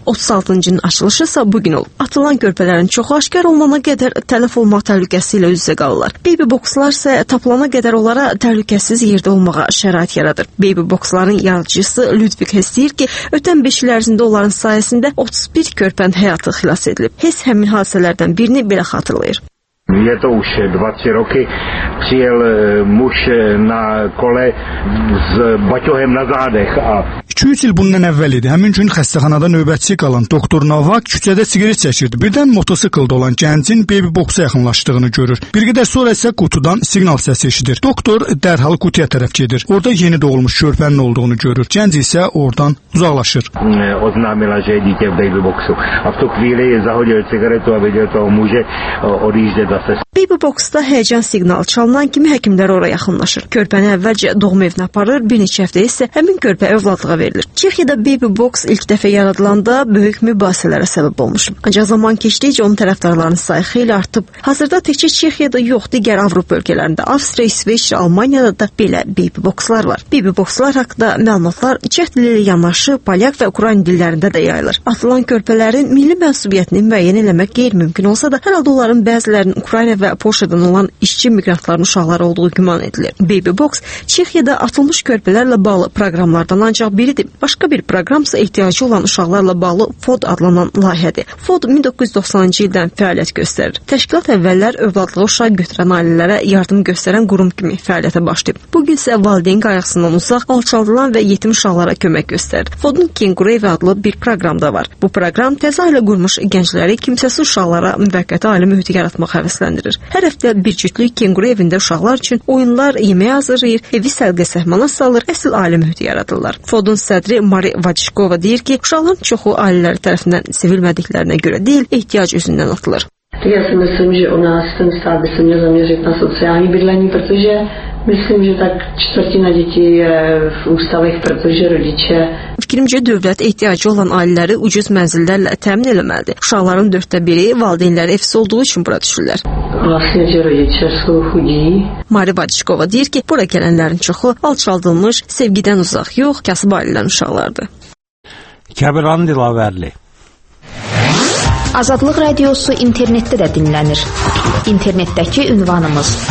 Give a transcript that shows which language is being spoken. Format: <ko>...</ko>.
<az>36-cının açılışı isə bu gün olub. Atılan körpələrin çoxu aşkar olmamağa qədər tələf olma təhlükəsi ilə üzə qalırlar. Baby boxlar isə tapılana qədər onlara təhlükəsiz yerdə olmağa şərait yaradır. Baby boxların yaradıcısı Ludwig Hess deyir ki, ötən 5 il ərzində onların sayəsində 31 körpənin həyatı xilas edilib. Hess həmin hadisələrdən birini belə xatırlayır.</az> <cs>Je to už 20 roky, přijel muž na kole s baťohem na zádech a...</cs> <az>2-3 il bundan əvvəl idi. Həmin gün xəstəxanada növbətçi qalan doktor Novak küçədə siqaret çəkirdi. Birdən motosikldə olan gəncin baby boxa yaxınlaşdığını görür. Bir qədər sonra isə qutudan siqnal səsi eşidir. Doktor dərhal qutuya tərəf gedir. Orada yeni doğulmuş körpənin olduğunu görür. Gənc isə oradan uzaqlaşır.</az> <cs>Oznámila, že je dítě v baby boxu. A v tu chvíli zahodil cigaretu a viděl toho muže odjíždět.</cs> <az>Baby boxda həyəcan siqnal çalınan kimi həkimlər ora yaxınlaşır. Körpəni əvvəlcə doğum evinə aparır, bir neçə həftə isə həmin körpə övladlığa verilir. Çexiyada baby box ilk dəfə yaradılanda böyük mübahisələrə səbəb olmuş. Ancaq zaman keçdikcə onun tərəfdarlarının sayı xeyli artıb. Hazırda təkcə Çexiyada yox, digər Avropa ölkələrində, Avstriya, İsveçrə, Almaniyada da belə baby boxlar var. Baby boxlar haqqında məlumatlar çex dilində yanaşı, polyak və ukrayn dillərində də yayılır. Atılan körpələrin milli mənsubiyyətini müəyyən eləmək qeyri-mümkün olsa da, hər halda onların bəzi Ukrayna və Polşadan olan işçi miqrantların uşaqları olduğu güman edilir. Baby Box Çexiyada atılmış körpələrlə bağlı proqramlardan ancaq biridir. Başqa bir proqram isə ehtiyacı olan uşaqlarla bağlı FOD adlanan layihədir. FOD 1990-cı ildən fəaliyyət göstərir. Təşkilat əvvəllər övladlığı uşaq götürən ailələrə yardım göstərən qurum kimi fəaliyyətə başlayıb. Bugün isə valideyn qayğısından uzaq, alçaldılan və yetim uşaqlara kömək göstərir. FOD-un Kenguru evi adlı bir proqram da var. Bu proqram təzə ailə qurmuş gəncləri kimsəsiz uşaqlara müvəqqəti ailə mühiti yaratmaq həvəsləndirir. Hər həftə bir cütlük kenguru evində uşaqlar üçün oyunlar, yemək hazırlayır, evi səliqə-səhmana salır, əsl ailə mühiti yaradırlar. FOD-un sədri Mari Vadişkova deyir ki, uşaqların çoxu ailələri tərəfindən sevilmədiklərinə görə deyil, ehtiyac üzündən atılır.</az> <cs>Ja si myslím, že u nás ten stát by se měl zaměřit na sociální bydlení, protože myslím, že tak čtvrtina dětí je v ústavech, protože rodiče.</cs> <az>Fikrimcə dövlət ehtiyacı olan ailələri ucuz mənzillərlə təmin eləməlidir. Uşaqların dörddə biri valideynləri evsiz olduğu üçün bura düşürlər.</az> <cs>Vlastnice rodiče jsou chudí.</cs> <az>Mari Vadişkova deyir ki, bura gələnlərin çoxu alçaldılmış, sevgidən uzaq yox, kasıb ailələrin uşaqlardır. Kəbiran Dilavərli. Azadlıq radiosu internetdə də dinlənir. İnternetdəki ünvanımız</az>